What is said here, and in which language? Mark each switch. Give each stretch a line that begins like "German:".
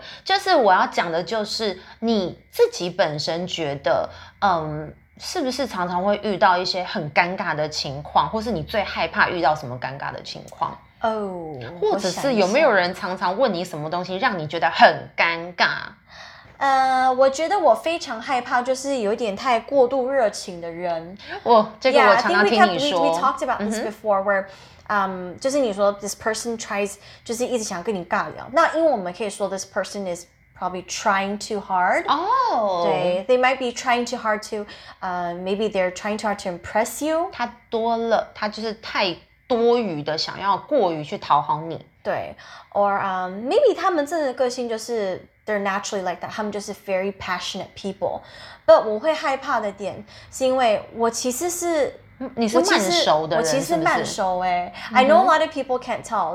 Chinese: 嗯、就是我要讲的，就是你自己本身觉得，是不是常常会遇到一些很尴尬的情况，或是你最害怕遇到什么尴尬的情况？哦，或者是有没有人常常问你什么东西，让你觉得很尴尬？我觉得我非常害怕，就是有点太过度热情的人。我这个我常常听你说。
English: Yeah, I think we talked about this before,、嗯、where, just
Chinese: 你说
English: this person tries,
Chinese: 就是一直想跟你尬聊。那因为我们可以说
English: this person is probably trying too hard. Oh,
Chinese: 对
English: ，they might be trying too hard to, maybe they're trying too hard to impress you.
Chinese: 他多了，他就是太多余的想要过于去讨好你。对 ，
English: or maybe
Chinese: 他们真的个性就是。
English: they're naturally like that.
Chinese: 他们就是
English: very passionate people. But
Chinese: 我会害怕的点是因为我其实是你是慢熟的人，我其实慢熟哎、欸。Mm-hmm.
English: I know a lot of people can't tell.